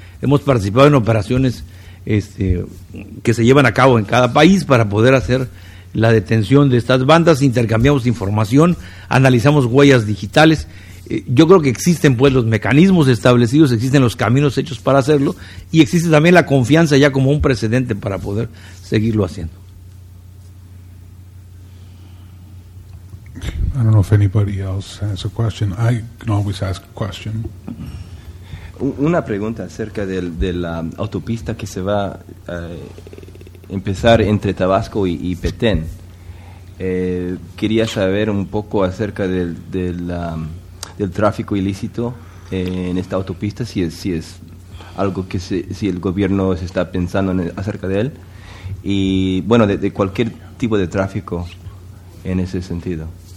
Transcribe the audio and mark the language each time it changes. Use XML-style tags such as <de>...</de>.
<es>Hemos participado en operaciones que se llevan a cabo en cada país para poder hacer la detención de estas bandas, intercambiamos información, analizamos huellas digitales. Yo creo que existen pues los mecanismos establecidos, existen los caminos hechos para hacerlo, y existe también la confianza ya como un precedente para poder seguirlo haciendo.</es> <en>I don't know if anybody else has a question. I can always ask a question.</en> <es>Una pregunta acerca de la autopista que se va a empezar entre Tabasco y Petén. Quería saber un poco acerca del tráfico ilícito en esta autopista, si es algo que si el gobierno se está pensando acerca de él, y bueno, de cualquier tipo de tráfico en ese sentido.</es>